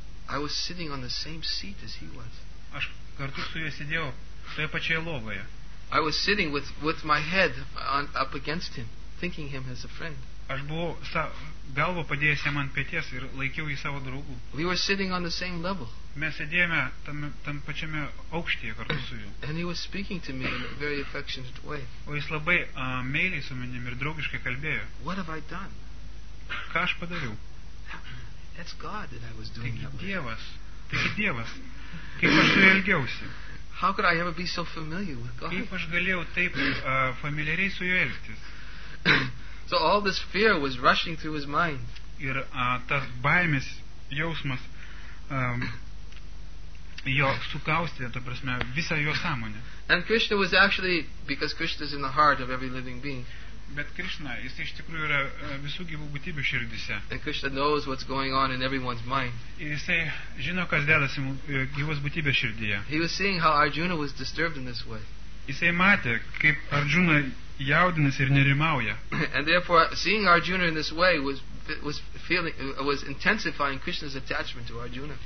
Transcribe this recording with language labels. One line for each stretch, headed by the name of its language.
English: I was sitting on the same seat as he was.
Lithuanian: Aš kartu su juo sėdėjau toje pačioje lovoje.
English: I was sitting with my head on, up against him, thinking him as a friend.
Lithuanian: Aš buvau galvą padėjęs jam ant pėties ir laikiau jį savo draugų.
English: We were sitting on the same level.
Lithuanian: Mes sėdėjome tam pačiame aukštyje kartu su juo.
English: And he was speaking to me in a very affectionate way.
Lithuanian: O jis labai meiliai su manim ir draugiškai kalbėjo.
English: What have I done?
Lithuanian: Ką aš padariau?
English: That's God that I was doing that.
Lithuanian: Tik Dievas. Kaip aš su juo elgiausi?
English: How could I ever be so familiar with God?
Lithuanian: Kaip aš galėjau taip familiariai su juo elgtis?
English: So all this fear was rushing through his mind.
Lithuanian: Ir tas baimės jausmas jo sukaustė, ta prasme, visą jo sąmonę.
English: And Krishna was actually, because Krishna is in the heart of every living being.
Lithuanian: Bet Krishna, jis iš tikrųjų yra visų gyvų būtybių širdise.
English: And Krishna knows what's going on in everyone's mind.
Lithuanian: Ir jis žino, kas dedasi gyvos būtybės širdyje.
English: He was seeing how Arjuna was disturbed in this way.
Lithuanian: Jis matė, kaip Arjuna jaudinasi ir nerimauja.
English: And therefore seeing Arjuna in this way was intensifying Krishna's attachment to Arjuna.